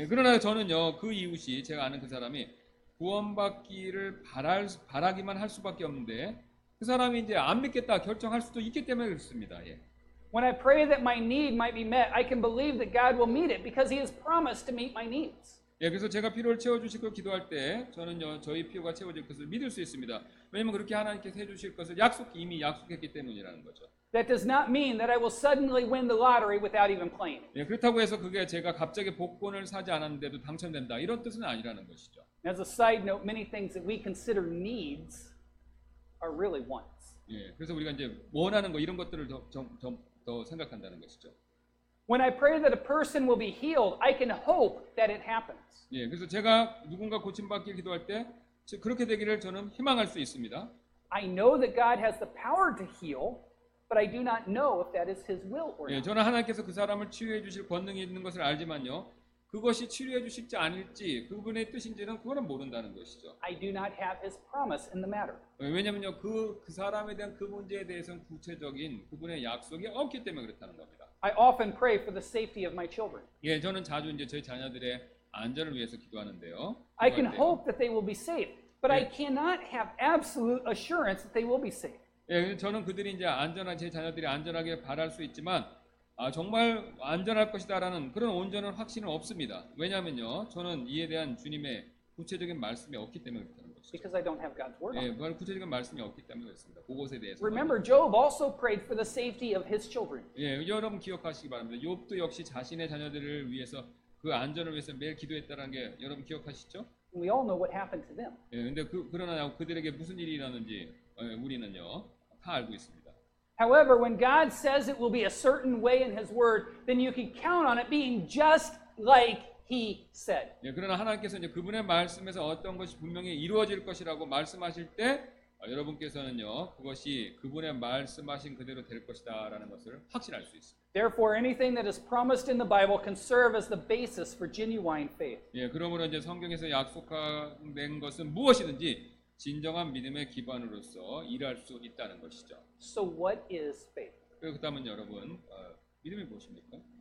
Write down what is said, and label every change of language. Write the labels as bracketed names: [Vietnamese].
[Korean] 예, 그러나 저는요, 그 이웃이 제가 아는 그 사람이 구원받기를 바라기만 할 수밖에 없는데 그 사람이 이제 안 믿겠다 결정할 수도 있기 때문에 그렇습니다. 예. [English] When I pray that my need might be met, I can believe that God will meet it because he has promised to meet my needs. [Korean] 예, 그래서 제가 필요를 채워 주실 것 기도할 때 저는요, 저희 필요가 채워질 것을 믿을 수 있습니다. 왜냐면 그렇게 하나님께서 해 주실 것을 이미 약속했기 때문이라는 거죠. [English] That does not mean that I will suddenly win the lottery without even playing. [Korean] 예, 그렇다고 해서 그게 제가 갑자기 복권을 사지 않았는데도 당첨된다 이런 뜻은 아니라는 것이죠. [English] As a side note, many things that we consider needs are really wants. [Korean] 예, 그래서 우리가 이제 원하는 거 이런 것들을 더 생각한다는 것이죠. [English] When I pray that a person will be healed, I can hope that it happens. [Korean] 예, 그래서 제가 누군가 고침받기를 기도할 때 그렇게 되기를 저는 희망할 수 있습니다. [English] I know that God has the power to heal. But I do not know if that is His will or not. [Korean] 예, 저는 하나님께서 그 사람을 치유해 주실 권능이 있는 것을 알지만요, 그것이 치료해 주실지 아닐지 그분의 뜻인지는 그거는 모른다는 것이죠. [English] I do not have His promise in the matter. [Korean] 예, 왜냐면요, 그 사람에 대한 그 문제에 대해서는 구체적인 그분의 약속이 없기 때문에 그렇다는 겁니다. [English] I often pray for the safety of my children. [Korean] 예, 저는 자주 이제 저희 자녀들의 안전을 위해서 기도하는데요. [English] I can hope that they will be safe, but 예. I cannot have absolute assurance that they will be safe. [Korean] 예, 저는 그들이 이제 안전한 제 자녀들이 안전하게 바랄 수 있지만 정말 안전할 것이다라는 그런 온전한 확신은 없습니다. 왜냐면요. 저는 이에 대한 주님의 구체적인 말씀이 없기 때문에 그렇다는 거죠. [English] Because I don't have God's word. [Korean] 예, 그런 구체적인 말씀이 없기 때문에 그렇습니다. 그것에 대해서. [English] Remember Job also prayed for the safety of his children. [Korean] 예, 여러분 기억하시기 바랍니다. 욥도 역시 자신의 자녀들을 위해서 그 안전을 위해서 매일 기도했다는 게 여러분 기억하시죠? [English] We all know what happened to them. [Korean] 예, 근데 그러나 그들에게 무슨 일이 일어났는지 우리는요 다 알고 있습니다. [English] However, when God says it will be a certain way in His Word, then you can count on it being just like He said. [Korean] 예, 그러나 하나님께서 이제 그분의 말씀에서 어떤 것이 분명히 이루어질 것이라고 말씀하실 때 여러분께서는요, 그것이 그분의 말씀하신 그대로 될 것이다 라는 것을 확신할 수 있습니다. [English] Therefore, anything that is promised in the Bible can serve as the basis for genuine faith. [Korean] 예, 그러므로 이제 성경에서 약속된 것은 무엇이든지 진정한 믿음의 기반으로서 일할 수 있다는 것이죠. [English] So what is faith? [Korean] 그 다음은 여러분, 믿음이 무엇입니까?